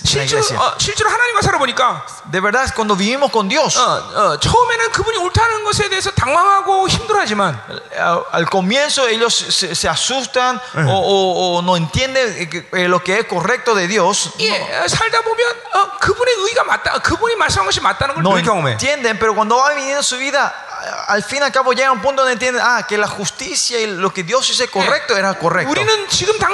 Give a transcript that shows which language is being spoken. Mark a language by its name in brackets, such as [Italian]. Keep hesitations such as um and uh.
[Spanish] Uh, en 실제로, la uh, [Korean] 실제로 하나님과 살아보니까. [Spanish] De verdad, cuando vivimos con Dios. [Korean] Uh, uh, 처음에는 그분이 옳다는 것에 대해서 당황하고 힘들어하지만. [Spanish] Uh, al comienzo ellos se, se asustan uh, o, o, o no entienden lo que es correcto de Dios. [Korean] 예, no, 살다 보면 uh, 그분의 의가 맞다, 그분이 말씀한 것이 맞다는 걸 no 경험해. [Spanish] No entienden, pero cuando va viviendo su vida, al fin y al cabo llega un punto donde entiende ah, que la justicia y lo que Dios hizo correcto era correcto. Sí.